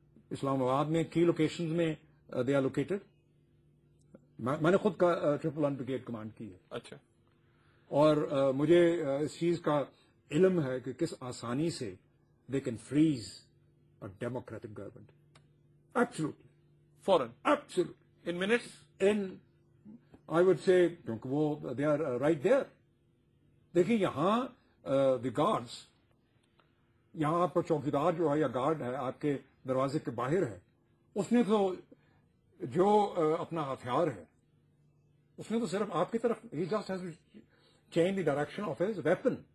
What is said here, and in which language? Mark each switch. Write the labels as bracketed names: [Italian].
[Urdu] اسلام آباد میں کی لوکیشن میں [English] they are located, [Urdu] میں نے خود کا 111 بریگیڈ کمانڈ کی ہے. اچھا اور مجھے اس چیز کا علم ہے کہ کس آسانی سے [English] They can freeze a democratic government. Absolutely [Urdu] فوراً. [English] Absolutely. In minutes. In, I would say, [Urdu] کیونکہ وہ [English] they are right there. [Urdu] دیکھیں یہاں [English] the guards, [Urdu] یہاں آپ کا چوکیدار جو ہے یا گارڈ ہے آپ کے دروازے کے باہر ہے, اس نے تو جو اپنا ہتھیار ہے اس نے تو صرف آپ کی طرف, [English] he just has to change the direction of his weapon.